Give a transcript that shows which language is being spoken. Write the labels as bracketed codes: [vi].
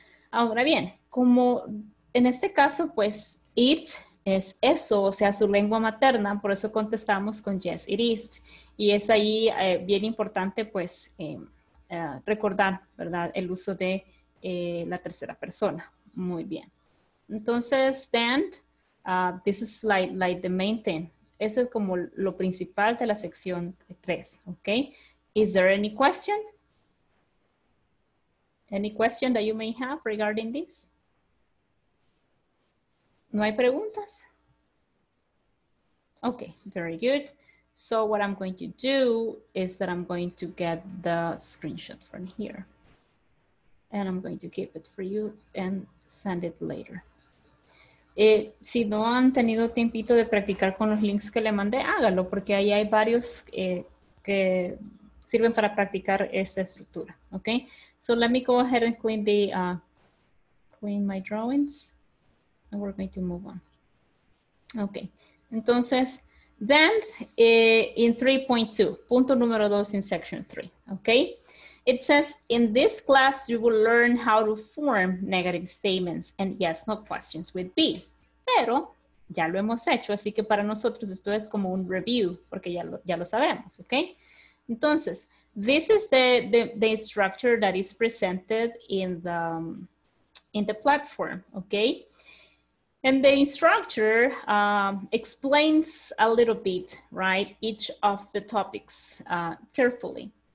[es] Ahora bien, como en este caso, pues, it es eso, o sea, su lengua materna, por eso contestamos con [en] yes, it is. [es] Y es ahí bien importante, pues, recordar, ¿verdad? El uso de la tercera persona. Muy bien. [en] Entonces, then, this is like the main thing. [es] Ese es como lo principal de la sección 3, ¿ok? [en] Is there any question? Any question that you may have regarding this? [es] ¿No hay preguntas? [en] Ok, very good. So what I'm going to do is that I'm going to get the screenshot from here. And I'm going to keep it for you and send it later. [es] Si no han tenido tiempito de practicar con los links que le mandé, hágalo porque ahí hay varios que sirven para practicar esta estructura. [en] Okay? So let me go ahead and clean the clean my drawings and we're going to move on. Okay. [es] Entonces, [en] Then in 3.2, [es] punto número dos [en] in section three, okay? It says, in this class, you will learn how to form negative statements and yes, no questions with B. [es] Pero ya lo hemos hecho, así que para nosotros esto es como un review, porque ya lo sabemos, okay? [en] Entonces, this is the structure that is presented in the platform, okay? And the instructor explains a little bit, right, each of the topics carefully.